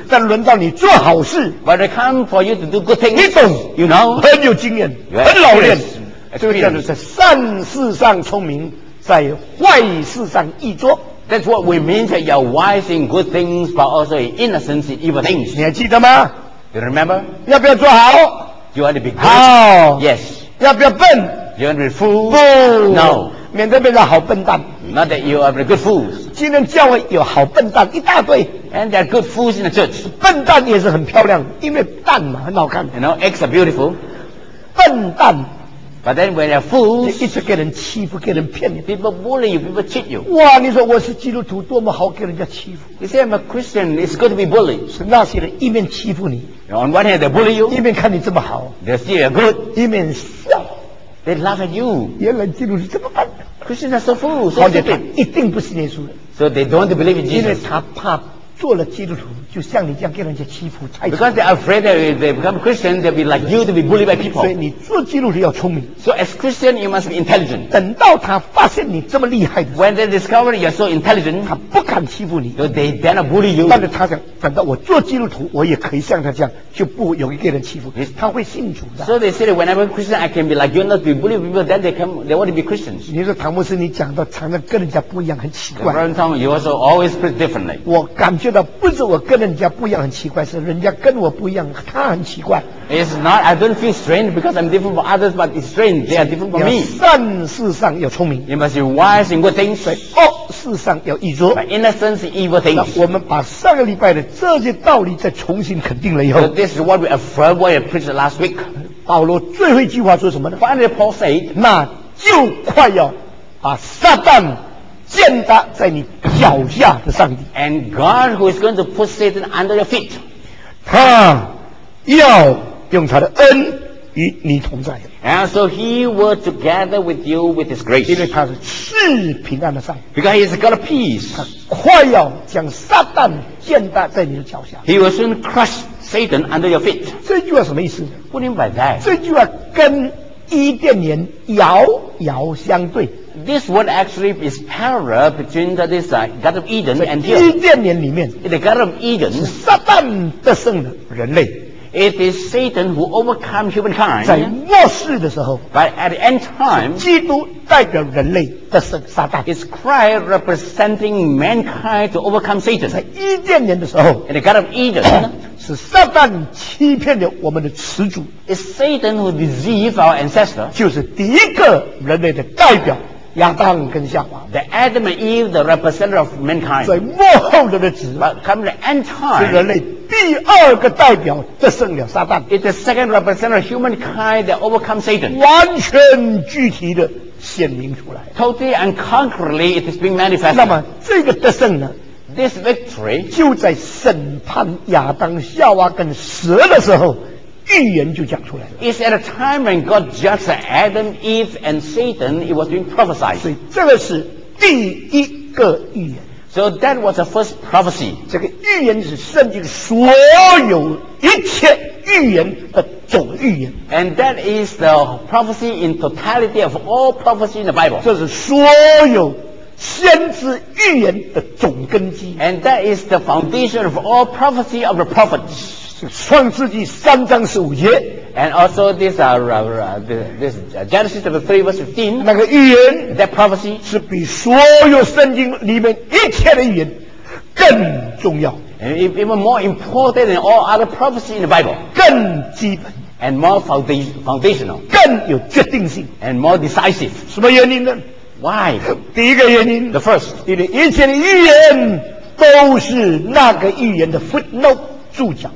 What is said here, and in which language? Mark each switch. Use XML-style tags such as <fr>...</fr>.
<zh>但轮到你做好事</zh> <en>，When it comes for you to do good things,</en> <zh>你懂</zh> <en>，You know，</en> <zh>很有经验，</zh> <en>yes.</en> <zh>很老练。这个叫做在善事上聪明，在坏事上愚拙。</zh> <en>That's what we mean that you're wise in good things, but also in innocence in evil things.</en> <zh>你还记得吗</zh> <en>？You remember？</en> <zh>要不要做好</zh> <en>？You want to be good？</en> <zh>好</zh> <en>，Yes。</en> <zh>要不要笨</zh> <en>？You want to be fool？</en> <zh>不</zh> <en>，No。</en> <zh>免得变成好笨蛋。</zh> <en>Not that you are a good fools.</en> <zh>今天教会有好笨蛋一大堆。</zh> <en>And there are good fools in the church.</en> <zh>笨蛋也是很漂亮，因为蛋嘛很好看。</zh> <en>You know, eggs are beautiful.</en> <zh>笨蛋。</zh> <en>But then when they're fools,</en> <zh>一直给人欺负，给人骗你。</zh> <en>People bully you, people cheat you.</en> <zh>哇，你说我是基督徒，多么好给人家欺负。</zh> <en>You say I'm a Christian, it's good to be bullied.</en> <zh>是那些人一面欺负你。</zh> <en>You know, on one hand they bully you.</en> <zh>一面看你这么好。</zh> <en>They see you're good.</en> <zh>一面笑。</zh> <en>They laugh at you.</en> <zh>原来基督徒这么笨。</zh> <en>Christians are so fools. So they</en> <zh>一定不是耶稣的。</zh> <en>So they don't believe in Jesus.</en> <zh>因为他怕做了基督徒，就像你这样给人家欺负。</zh> <en>Because they're afraid that if they become Christian, they'll be like you to be bullied by people.</en> <zh>所以你做基督徒要聪明。</zh> <en>So as Christian, you must be intelligent.</en> <zh>等到他发现你这么厉害的。</zh> <en>When they discover you're so intelligent,</en> <zh>他不敢欺负你。</zh> <en>So they dare not bully you.</en> <zh>但是他想，等到我做基督徒，我也可以像他这样，就不容易给人欺负。他会信主的。</zh> <en>So they say that when I'm a Christian, I can be like you, not be bullied by people. Then they want to be Christians.</en> <zh>你说唐牧师，你讲到常常跟人家不一样，很奇怪。</zh> <en>Reverend Tom, you also always preach differently.</en> <zh>我感觉。觉得不是我跟人家不一样很奇怪，是人家跟我不一样，他很奇怪。</zh> <en>It's not I don't feel strange because I'm different from others, but it's strange they are different from me.</en> <zh>善事上要聪明。</zh> <en>You must be wise in good things.</en> <zh>恶事上要愚拙。</zh> <en>But innocence in evil things.</en> <zh>我们把上个礼拜的这些道理再重新肯定了以后。</zh> <en>So、this is what we affirmed what we preached last week.</en> <zh>保罗最后一句话说什么呢</zh> <en>？Finally, Paul said,</en> <zh>那就快要把撒旦。践踏在你脚下的上帝</zh> <en>，and God who is going to put Satan under your feet，</en> <zh>他要用他的恩与你同在。</zh> <en>And so he were together with you with his grace.</en> <zh>因为他是赐平安的上帝。</zh> <en>Because he is God of peace.</en> <zh>他快要将撒旦践踏在你的脚下。</zh> <en>He will soon crush Satan under your feet.</en> <zh>这句话什么意思？</zh> <en>What do you mean by that?</en> <zh>这句话跟伊甸园遥遥相对。</zh> <en>This word actually is parallel between the this God of Eden and here.</en> <zh>伊甸园里面</zh> <en>，the God of Eden</en> <zh>是撒旦得胜的人类。</zh> <en>It is Satan who overcome humankind.</en> <zh>在末世的时候</zh> <en>，but at the end time,</en> <zh>基督代表人类得胜撒旦。</zh> <en>It's Christ representing mankind to overcome Satan.</en> <zh>在伊甸园的时候</zh> <en>，in the God of Eden.</en> <zh>是撒旦欺骗了我们的始祖。</zh> <en>It's Satan who deceived our ancestors.</en> <zh>就是第一个人类的代表。亚当跟夏娃</zh> <en>，The Adam and Eve, the representative of mankind，</en> <zh>在末后的日子</zh> <en>，But come the end time，</en> <zh>是人类第二个代表得胜了撒旦</zh> <en>，It's the second representative of humankind that overcome Satan，</en> <zh>完全具体的显明出来</zh> <en>，Totally and concretely it is being manifested。</en> <zh>那么这个得胜呢</zh> <en>？This victory</en> <zh>就在审判亚当、夏娃跟蛇的时候。预言就讲出来了。</zh> <en>It's at a time when God judged Adam, Eve, and Satan. It was being prophesied.</en> <zh>所以这个是第一个预言。</zh> <en>So that was the first prophecy.</en> <zh>这个预言是圣经所有一切预言的总预言。</zh> <en>And that is the prophecy in totality of all prophecy in the Bible.</en> <zh>这是所有先知预言的总根基。</zh> <en>And that is the foundation of all prophecy of the prophets.</en> <zh>创世纪三章十五节</zh> <en>，and also this this Genesis chapter 3:15，</en> <zh>那个预言</zh> <en>，that prophecy</en> <zh>是比所有圣经里面一切的预言更重要</zh> <en>，and even more important than all other prophecy in the Bible，</en> <zh>更基本</zh> <en>，and more foundational，</en> <zh>更有决定性</zh> <en>，and more decisive。</en> <zh>什么原因呢</zh> <en>？Why？</en> <zh>第一个原因</zh> <en>，the first，</en> <zh>因为一切的预言都是那个预言的 footnote。注脚</zh>